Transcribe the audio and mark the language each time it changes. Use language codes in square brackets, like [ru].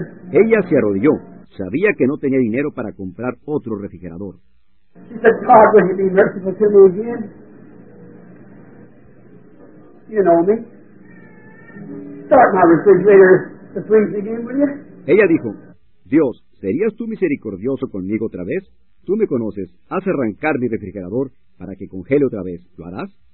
[es] Ella se arrodilló. Sabía que no tenía dinero para comprar otro refrigerador. [en] She said, God, will you be merciful to me again? You know me. Start my refrigerator to freeze again, will you? [es] Ella dijo, Dios, ¿serías tú misericordioso conmigo otra vez? Tú me conoces, haz arrancar mi refrigerador para que congele otra vez. ¿Lo harás?